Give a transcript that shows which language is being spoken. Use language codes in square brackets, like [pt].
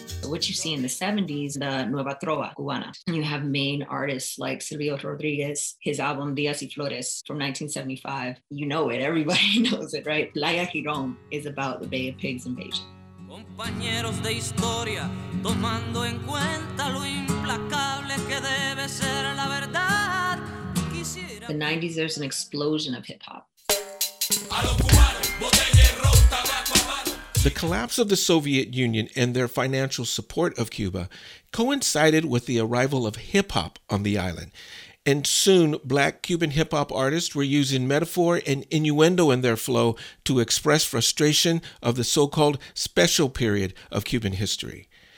[en] What you see in the 70s, the Nueva Trova Cubana. You have main artists like Silvio Rodriguez, his album Días y Flores from 1975. You know it, everybody knows it, right? Playa Girón is about the Bay of Pigs invasion. [es] Compañeros de historia, tomando en cuenta lo implacable que debe ser la verdad. [en] The 90s, there's an explosion of hip-hop. The collapse of the Soviet Union and their financial support of Cuba coincided with the arrival of hip-hop on the island. And soon, Black Cuban hip-hop artists were using metaphor and innuendo in their flow to express frustration of the so-called special period of Cuban history.